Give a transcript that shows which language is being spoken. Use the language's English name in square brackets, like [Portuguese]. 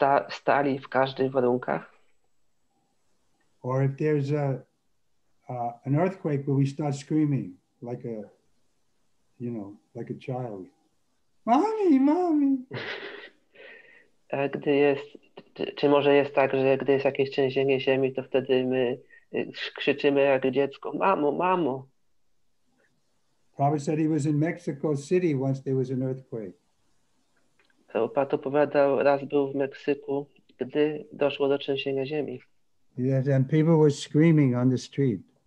[Polish] stali w każdych warunkach. [English] Or if there's an earthquake, will we start screaming like a, you know, like a child? Mommy, mommy. [Polish] Gdy jest, czy może jest tak, że gdy jest jakieś trzęsienie ziemi, to wtedy my krzyczymy jak dziecko, mamo, mamo. [English] Prabhupada said he was in Mexico City once there was an earthquake. [Polish] Prabhupada opowiadał, raz był w Meksyku, gdy doszło do trzęsienia ziemi. [English] Yes, and people were screaming on the street.